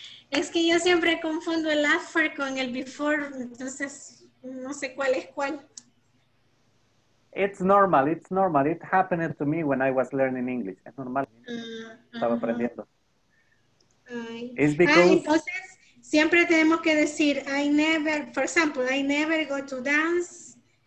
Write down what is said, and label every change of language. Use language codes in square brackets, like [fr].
[es] Es que yo siempre confundo el after con el before, entonces no sé cuál es cuál. [en] It's normal. It happened to me when I was learning English. [es] Es normal. Estaba aprendiendo. [en] It's because... [es] Entonces, siempre tenemos que decir, [en] I never go to dance.